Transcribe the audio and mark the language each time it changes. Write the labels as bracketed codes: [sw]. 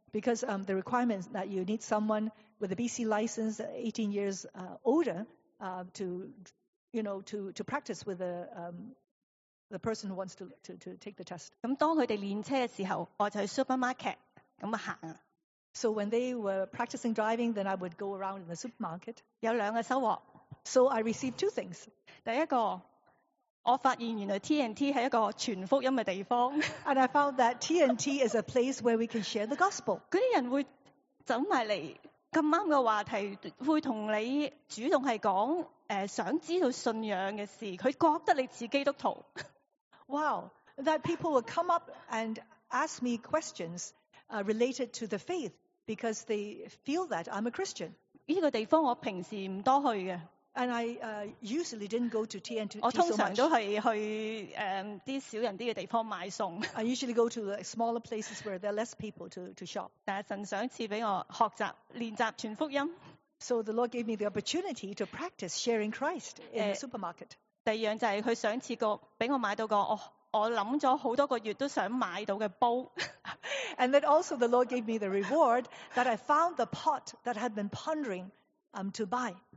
[en] Because the requirement is that you need someone with a BC license 18 years older to practice with the person who wants to take the test. [yue] 咁当佢哋练车嘅时候，我就去 supermarket 咁行。 [en] So when they were practicing driving, then I would go around in the supermarket. [yue] 有两个收获。 [en] So I received two things. [yue] 第一个，我发现原来 TNT 系一个传福音嘅地方。 [en] And I found that TNT is a place where we can share the gospel. [yue] 嗰啲人会走埋嚟，咁啱个话题会同你主动系讲。想知道信仰嘅事，佢觉得你似基督徒。 [en] Wow, that people would come up and ask me questions related to the faith because they feel that I'm a Christian. [yue] 呢个地方我平时唔多去嘅。 [en] And I usually didn't go to TNT so much. [yue] 我通常都系去啲少人啲嘅地方买餸。 [en] I usually go to smaller places where there are less people to shop. [yue] 但系神想赐俾我学习练习传福音。 [en] So the Lord gave me the opportunity to practice sharing Christ in the supermarket. [yue] 第二样就系佢想赐个俾我买到个我谂咗好多个月都想买到嘅煲。 [en] And then also the Lord gave me the reward that I found the pot that I had been pondering to buy.